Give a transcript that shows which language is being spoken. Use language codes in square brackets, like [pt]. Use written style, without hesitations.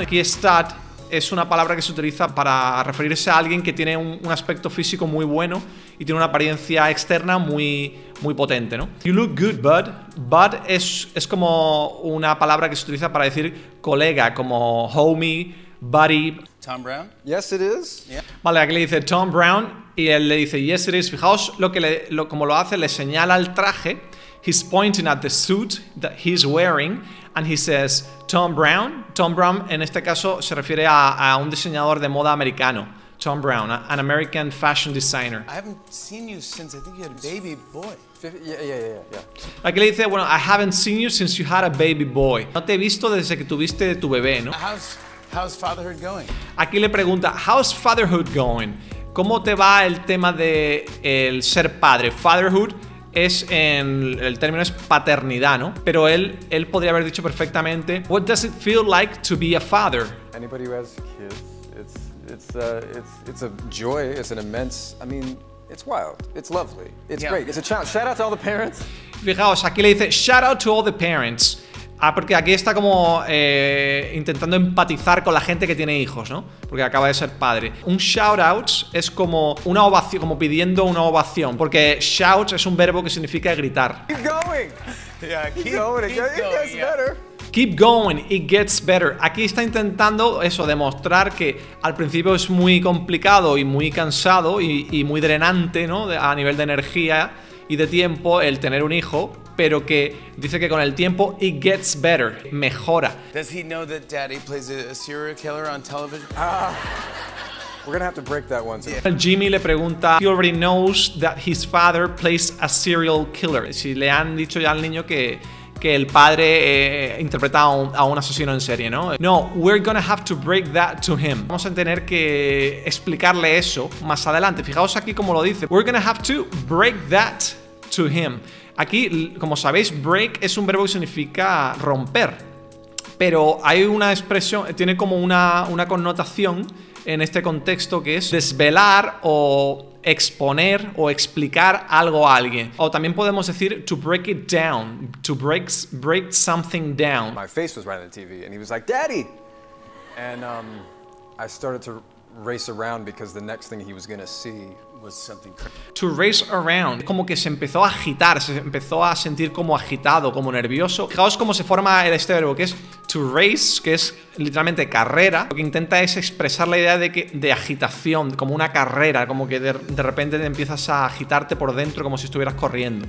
[es] Aquí stud es una palabra que se utiliza para referirse a alguien que tiene un aspecto físico muy bueno y tiene una apariencia externa muy, muy potente, ¿no? You look good, bud. Bud es como una palabra que se utiliza para decir colega, como homie, buddy. [en] Tom Brown. Yes, it is. Yeah. [es] Vale, aquí le dice Tom Brown y él le dice yes, it is. Fijaos como lo hace, le señala el traje. [en] He's pointing at the suit that he's wearing and he says, Tom Brown. [es] Tom Brown en este caso se refiere a un diseñador de moda americano. [en] Tom Brown, an American fashion designer. I haven't seen you since I think you had a baby boy. Yeah. [es] Aquí le dice, bueno, I haven't seen you since you had a baby boy. No te he visto desde que tuviste tu bebé, ¿no? [en] How's fatherhood going? [es] Aquí le pregunta, how's fatherhood going? ¿Cómo te va el tema de el ser padre? Fatherhood es en el término es paternidad, ¿no? Pero él podría haber dicho perfectamente what does it feel like to be a father? [en] Anybody who has kids, it's a joy, it's an immense, I mean, it's wild, it's lovely, it's yeah. Great, it's a challenge. Shout out to all the parents. [es] Fijaos, aquí le dice shout out to all the parents. Ah, porque aquí está como intentando empatizar con la gente que tiene hijos, ¿no? Porque acaba de ser padre. Un shout out es como una ovación, como pidiendo una ovación, porque shout es un verbo que significa gritar. [en] Keep going. Yeah, keep going. It gets better. Keep going, it gets better. [es] Aquí está intentando eso, demostrar que al principio es muy complicado y muy cansado y muy drenante, ¿no? A nivel de energía y de tiempo el tener un hijo. Pero que dice que con el tiempo it gets better, mejora. [en] Does he know that daddy plays a serial killer on television? We're gonna have to break that one. Yeah. Jimmy le pregunta, he already knows that his father plays a serial killer. [es] Si le han dicho ya al niño que el padre interpreta a un asesino en serie, ¿no? [en] No, we're gonna have to break that to him. [es] Vamos a tener que explicarle eso más adelante. Fijaos aquí cómo lo dice. [en] We're gonna have to break that to him. [es] Aquí, como sabéis, break es un verbo que significa romper. Pero hay una expresión, tiene como una connotación en este contexto que es desvelar o exponer o explicar algo a alguien. [en] O también podemos decir to break it down, to break something down. My face was right on the TV and he was like, Daddy! And I started to race around because the next thing he was gonna see was something crazy. [es] To race around, como que se empezó a agitar, se empezó a sentir como agitado, como nervioso. Fijaos cómo se forma este verbo, que es to race, que es literalmente carrera. Lo que intenta es expresar la idea de agitación, como una carrera, como que de repente te empiezas a agitarte por dentro como si estuvieras corriendo.